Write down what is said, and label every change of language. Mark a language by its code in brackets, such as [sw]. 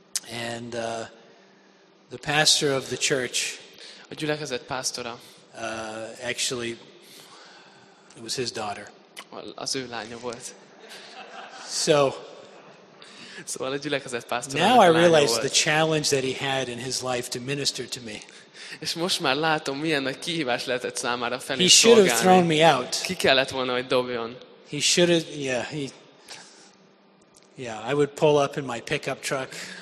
[en] And the pastor of the church, [hu] a gyülekezet pastora, [en] actually it was his daughter. [hu] Az ő lánya volt. [en] So [hu] szóval a gyülekezet pastora. [en] Now I realize the challenge that he had in his life to minister to me. [hu] És most már látom, milyen nagy kihívás lehetett számára felé szolgálni. [en] He should have thrown me out. [hu] Ki kellett volna, hogy dobjon. [en] He should have, yeah, I would pull up in my pickup truck.